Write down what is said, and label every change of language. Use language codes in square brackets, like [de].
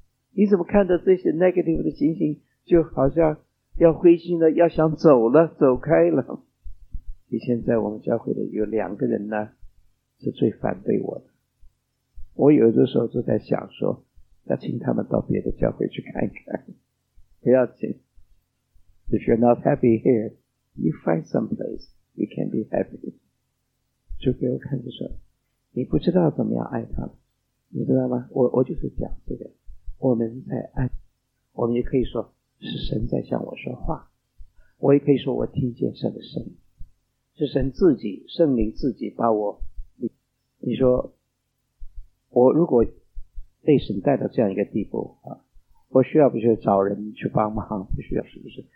[zh] 你怎么看到这些 negative 的情形，就好像要灰心了，要想走了，走开了。以前在我们教会的有两个人呢，是最反对我的。我有的时候就在想说，要请他们到别的教会去看一看，不要紧。 [en] If you're not happy here, you find some place you can be happy. [zh] 就给我看着说，你不知道怎么样爱他们，你知道吗？我就是讲这个，我们在爱，我们也可以说是神在向我说话，我也可以说我听见神的声音。是神自己，圣灵自己把我。你说，我如果被神带到这样一个地步啊，我需要不需要找人去帮忙？不需要，是不是？